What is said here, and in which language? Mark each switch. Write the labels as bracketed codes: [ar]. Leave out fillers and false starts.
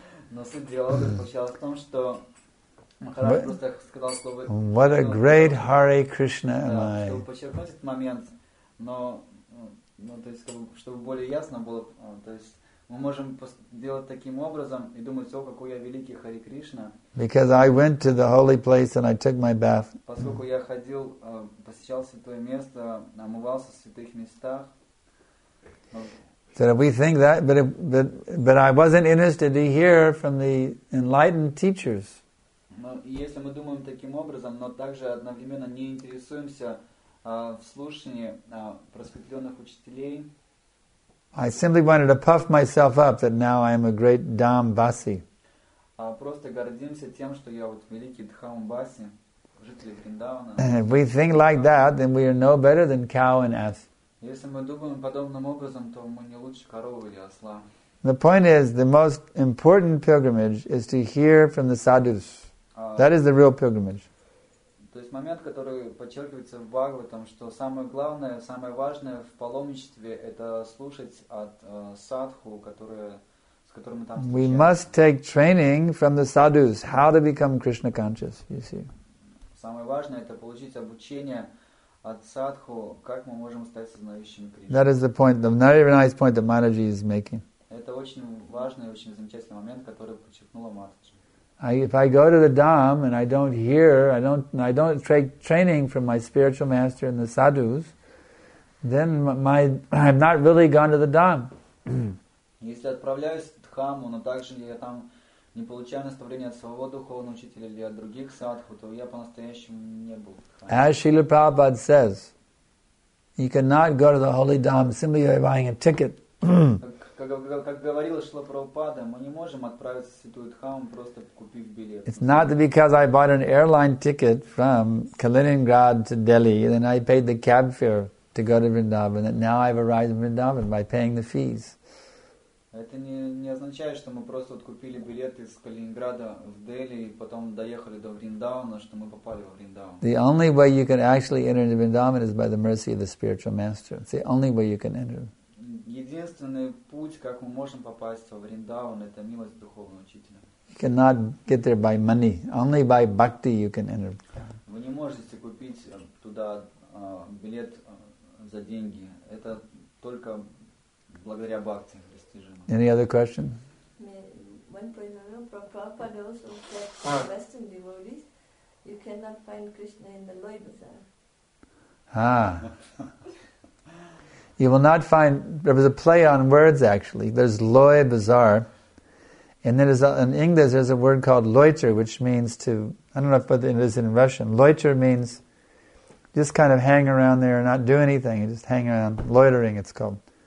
[ru] Но суть диалога заключалась в том, что Махарадж просто сказал слово... [en] What a great Hare Krishna am I. [ru] Чтобы подчеркнуть этот момент, но, ну, то есть, чтобы более ясно было, то есть, мы можем делать таким образом и думать, о, какой я великий Hare Krishna. [en] Because I went to the holy place and I took my bath. [ru] Поскольку я ходил, посещал святое место, омывался в святых местах. [en] So if we think that, but I wasn't interested to hear from the enlightened teachers. [ru] Но если мы думаем таким образом, но также одновременно не интересуемся в слушании просветленных учителей. [en] I simply wanted to puff myself up that now I am a great Dham Vasi. [ru] Просто гордимся тем, что я вот великий Дхам Васи, житель Вриндавана. [en] If we think like that, then we are no better than cow and ass. [ru] Если мы думаем подобным образом, то мы не лучше коровы или осла. [en] The point is, the most important pilgrimage is to hear from the sadhus. That is the real pilgrimage. [ru] То есть момент, который подчеркивается в Бхагаватам, что самое главное, самое важное в паломничестве это слушать от садху, с которым мы там встречаемся. [en] We must take training from the sadhus, how to become Krishna conscious, you see. [ru] Самое важное это получить обучение от садху, как мы можем стать сознающими Кришну. [en] That is the point, the very nice point that Mataji is making. [ru] Это очень важный, очень замечательный момент, который подчеркнула Матаджи. [en] If I go to the Dham and I don't hear, I don't take training from my spiritual master and the sadhus, then I'm not really gone to the Dham. [ru] Если отправляюсь в Дхаму, но также я там не получаю наставления от своего духовного учителя или от других садху, то я по-настоящему не был в Дхаме. [en] As Srila Prabhupada says, you cannot go to the holy Dham simply by buying a ticket. [ru] Как говорила Шрила Прабхупада, мы не можем отправиться в Святую Дхаму, просто купив билет. [en] It's not because I bought an airline ticket from Kaliningrad to Delhi, and then I paid the cab fare to go to Vrindavan, that now I've arrived in Vrindavan by paying the fees. [ru] Это не означает, что мы просто вот купили билет из Калининграда в Дели и потом доехали до Вриндавана, что мы попали во Вриндаван. [en] The only way you can actually enter into Vrindavan is by the mercy of the spiritual master. It's the only way you can enter. [ru] Единственный путь, как мы можем попасть во Вриндаван, это милость духовного учителя. [en] You cannot get there by money. Only by bhakti you can enter. [ru] Вы не можете купить туда билет за деньги. Это только благодаря бхакти. [en] Any other question? One point, Prabhupada also said for Western devotees, you cannot find Krishna in the Loi Bazaar. Ah. You will not find, there was a play on words actually, there's Loi Bazaar, and then in English there's a word called loiter, which means to, I don't know if it is in Russian, loiter means just kind of hang around there and not do anything, and just hang around, loitering it's called.